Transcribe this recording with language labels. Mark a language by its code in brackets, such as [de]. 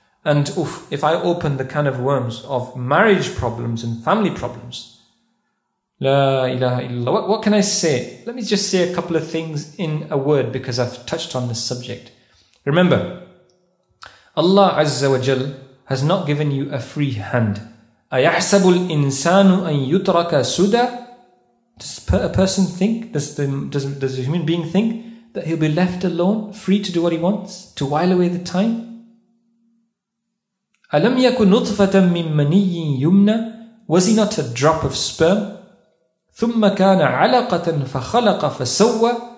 [en] And oof, if I open the can of worms of marriage problems and family problems, [ar] la ilaha illallah, [en] what can I say? Let me just say a couple of things in a word because I've touched on this subject. Remember, Allah Azza wa Jal has not given you a free hand. [ar] أَيَحْسَبُ الْإِنسَانُ أَن يُتْرَكَ سُدَى. [en] Does a person think, does a human being think that he'll be left alone, free to do what he wants, to while away the time? [ar] أَلَمْ يَكُنْ نُطْفَةً مِّن مَنِيٍّ يُمْنَى. [en] Was he not a drop of sperm? [ar] ثُمَّ كَانَ عَلَقَةً فَخَلَقَ فَسَوَّى.